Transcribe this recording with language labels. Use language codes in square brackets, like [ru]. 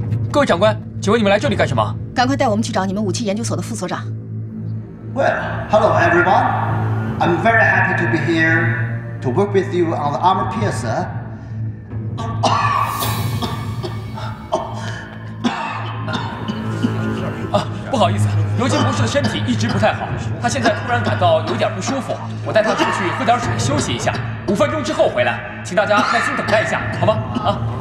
[zh] 各位长官，请问你们来这里干什么？赶快带我们去找你们武器研究所的副所长。 [en] Well, hello everyone. I'm very happy to be here. To work with you on the armor piercer. [zh] Oh, 不好意思，尤金博士的身体一直不太好，他现在突然感到有点不舒服，我带他出去喝点水休息一下，五分钟之后回来，请大家耐心等待一下，好吗？